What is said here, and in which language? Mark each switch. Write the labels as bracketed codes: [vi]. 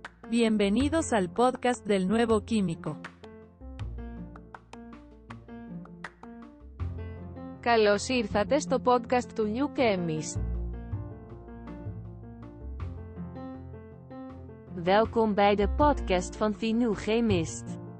[es] Bienvenidos al podcast del nuevo químico. [el] Καλώς ήρθατε στο podcast του New Chemist. [nl] Welkom bij de podcast van The New Chemist.